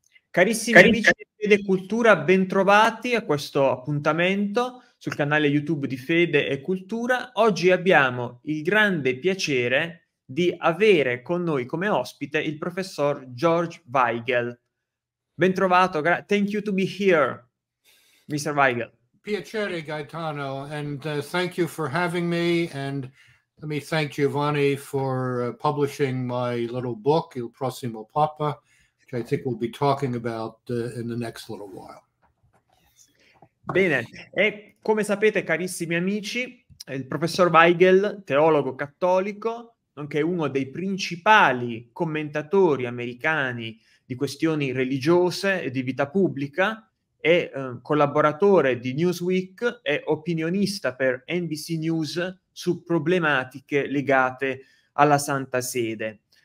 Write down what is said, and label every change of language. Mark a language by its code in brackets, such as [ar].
[it] Carissimi amici di Fede Cultura, bentrovati a questo appuntamento sul canale YouTube di Fede e Cultura. Oggi abbiamo il grande piacere di avere con noi come ospite il professor George Weigel. Bentrovato, [en] thank you to be here, Mr. Weigel. [it] Piacere Gaetano, [en] and thank you for having me, and let me thank Giovanni for publishing my little book, Il Prossimo Papa, which I think we'll be talking about in the next little while. [it] Bene, e come sapete, carissimi amici, il professor Weigel, teologo cattolico, nonché uno dei principali commentatori americani di questioni religiose e di vita pubblica, è collaboratore di Newsweek e opinionista per NBC News su problematiche legate alla Santa Sede.